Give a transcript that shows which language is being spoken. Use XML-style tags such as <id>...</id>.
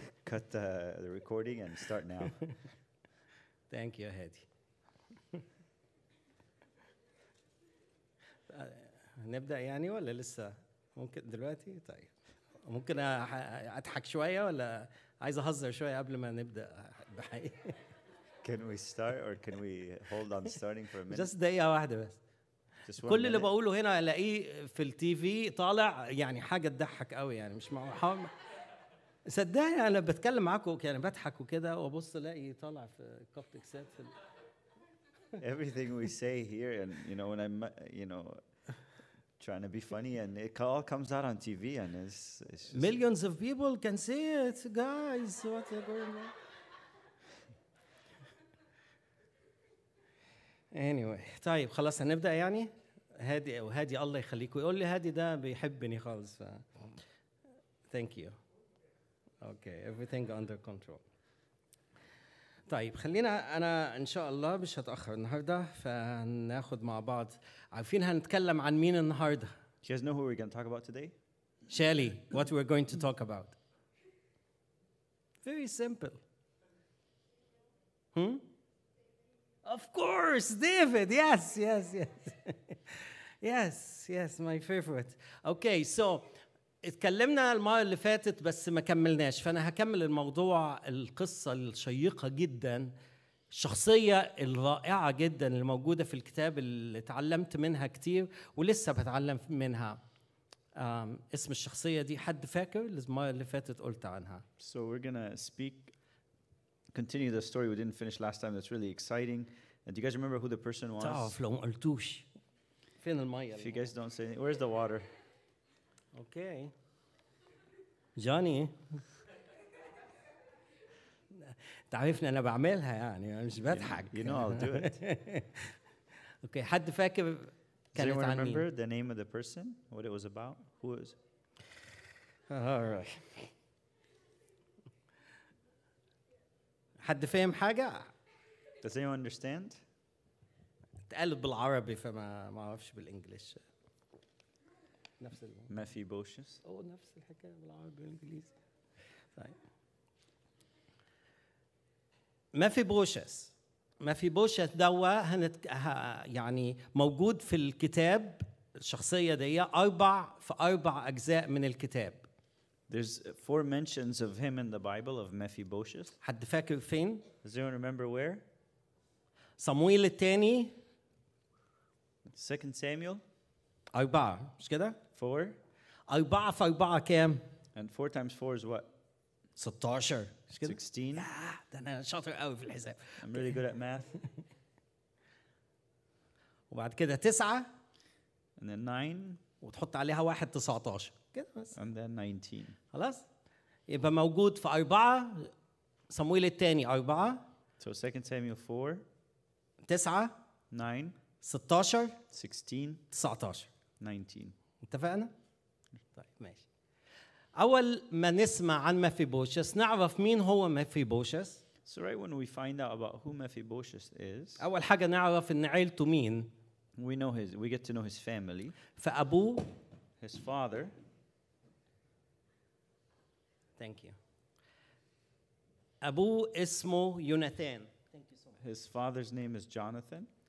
<en>Cut the recording and start now. Thank you هادي.</en> <ar>نبدا يعني ولا لسه ممكن دلوقتي؟ طيب ممكن اضحك شويه ولا عايز اهزر شويه قبل ما نبدا بحقيقي؟</ar> <en>Can we start or can we hold on starting for a minute? Just</en> <ar>دقيقة واحدة بس.</ar> <en>Just one</en> <ar>كل</ar> <en>minute.</en> <ar>اللي بقوله هنا الاقيه في التي في طالع يعني حاجة تضحك قوي يعني مش معقول. صدقني انا بتكلم معاكم يعني بضحك وكده وابص الاقي طالع في كوبتك سات.</ar> <en>Everything we say here and you know when I'm you know trying to be funny and it all comes out on TV and it's just millions of people can see it, guys, what are going on? Anyway,</en> <ar>طيب خلاص هنبدأ يعني هادي أو هادي الله يخليك ويقول لي هادي ده بيحبني خالص.</ar> <en>Thank you. Okay, everything under control.</en> <ar>طيب خلينا أنا إن شاء الله مش هتأخر النهاردة فناخد مع بعض. عارفين هنتكلم عن مين النهاردة؟</ar> <en>Do you guys know who we're going to talk about today? Shelly, what we're going to talk about. Very simple. Hmm? Of course, David. Yes, yes, yes. Yes, yes, my favorite. Okay, so</en> <ar>اتكلمنا المرة اللي فاتت بس ما كملناش فأنا هكمل الموضوع القصة الشيقة جدا الشخصية الرائعة جدا الموجودة في الكتاب اللي تعلمت منها كتير ولسه بتعلم منها. اسم الشخصية دي حد فاكر المرة اللي فاتت قلت عنها.</ar> <en>So we're gonna speak continue the story we didn't finish last time. That's really exciting. And do you guys remember who the person was?</en> <ar>تعرف لو ما قلتوش فين المية؟</ar> <en>If you guys don't say anything, where's the water? Okay. Johnny.</en> <ar>تعرفني أنا بعملها يعني مش بضحك.</ar> <en>You know I'll do it. Okay.</en> <ar>حد فاكر كانت عن مين؟</ar> <en>Do you remember the name of the person? What it was about? Who is? All right.</en> <ar>حد فاهم حاجة؟</ar> <en>Does anyone understand?</en> <ar>تقلب بالعربي فما ما أعرفش بالإنجليش. نفس ال. مافي بوشس. أو نفس الحكاية بالعربي والإنجليزي. مافي بوشس. مافي بوشس دوا يعني موجود في الكتاب الشخصية دي أربع في أربع أجزاء من الكتاب.</ar> <en>There's four mentions of him in the Bible of Mephibosheth.</en> <ar>حد فاكر فين؟</ar> <en>Does anyone remember where?</en> <ar>صمويل الثاني.</ar> <en>Second Samuel.</en> <ar>أربعة مش كده؟</ar> <en>Four.</en> <ar>أربعة في أربعة كام؟</ar> <en>And four times four is what?</en> <ar>16 مش كده؟</ar> <en>16.</en> <ar>ده أنا شاطر قوي في الحساب.</ar> <en>I'm really good at math.</en> <ar>وبعد كده تسعة.</ar> <en>And then nine.</en> <ar>وتحط عليها واحد 19.</ar> <en>And then 19.</en> <ar>خلاص يبقى موجود في أربعة صمويل الثاني أربعة.</ar> <en>So second Samuel 4.</en> <ar>تسعة.</ar> <en>9.</en> <ar>16.</ar> <en>16.</en> <ar>19.</ar> <en>19.</en> <ar>اتفقنا؟ طيب ماشي. أول ما نسمع عن مفيبوشس نعرف مين هو مفيبوشس.</ar> <en>So right when we find out about who Mephibosheth is.</en> <ar>أول حاجة نعرف إن عيلته مين.</ar> <en>We know his. We get to know his family.</en> <ar>فأبوه.</ar> <en>His father. Thank you.</en> <ar>أبوه اسمه يوناثان.</ar> <en>Thank you so much. His father's name is Jonathan.</en>